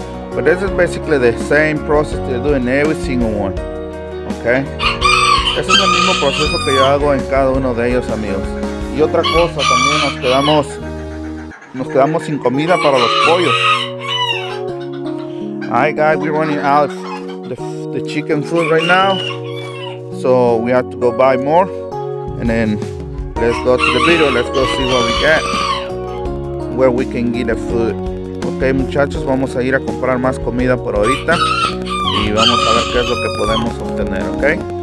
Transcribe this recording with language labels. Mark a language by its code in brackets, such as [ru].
[en] But this is basically the same process they're doing every single one. Okay? [es] Es el mismo proceso que yo hago en cada uno de ellos, amigos. Y otra cosa, también nos quedamos sin comida para los pollos. [en] All right, guys, we're running out of the chicken food right now. So we have to go buy more, and then let's go to the video. Let's go see what we get, where we can get the food. [es] Okay, muchachos, vamos a ir a comprar más comida por ahorita y vamos a ver qué es lo que podemos obtener, okay?